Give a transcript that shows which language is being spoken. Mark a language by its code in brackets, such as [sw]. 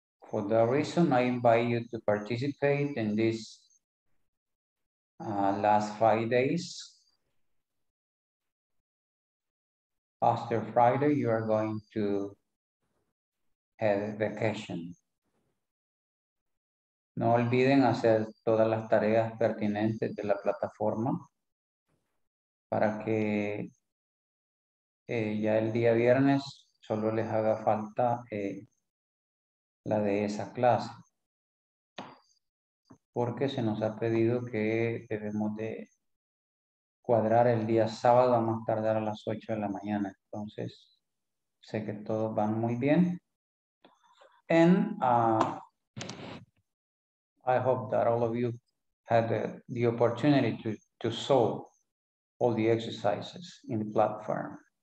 [en] For that reason, I invite you to participate in this last 5 days. After Friday, you are going to have vacation. [es] No olviden hacer todas las tareas pertinentes de la plataforma para que ya el día viernes solo les haga falta la de esa clase. Porque se nos ha pedido que debemos de cuadrar el día sábado a más tardar a las 8 de la mañana. Entonces, sé que todos van muy bien. [en] And I hope that all of you had the opportunity to solve all the exercises in the platform.